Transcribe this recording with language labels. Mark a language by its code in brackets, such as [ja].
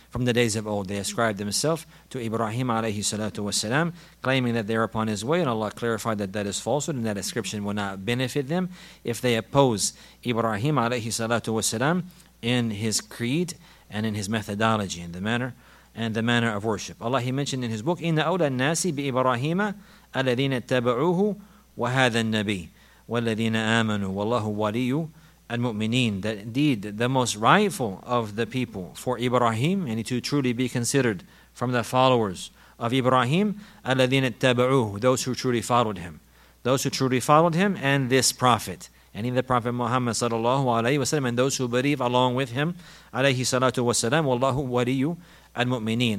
[en] They ascribe themselves to Ibrahim alayhi salatu wasalam, claiming that they're upon his way, and Allah clarified that that is falsehood and that ascription will not benefit them. If they oppose Ibrahim alayhi salatu wasalam in his creed and in his methodology and the manner of worship. Allah, he mentioned in his book, [ar] إِنَّ أَوْلَى النَّاسِ بِإِبْرَاهِيمَ أَلَذِينَ اتَّبَعُوهُ وَهَذَا النَّبِيِّ وَالَّذِينَ آمَنُوا وَاللَّهُ وَلِيُّ الْمُؤْمِنِينَ. [en] That indeed, the most rightful of the people for Ibrahim, and to truly be considered from the followers of Ibrahim, [ar] أَلَذِينَ اتَّبَعُوهُ, [en] those who truly followed him and this prophet. And in the Prophet Muhammad sallallahu alayhi wa sallam, and those who believe along with him, alayhi salatu wa sallam, [ar] wallahu waliyu al-mu'mineen.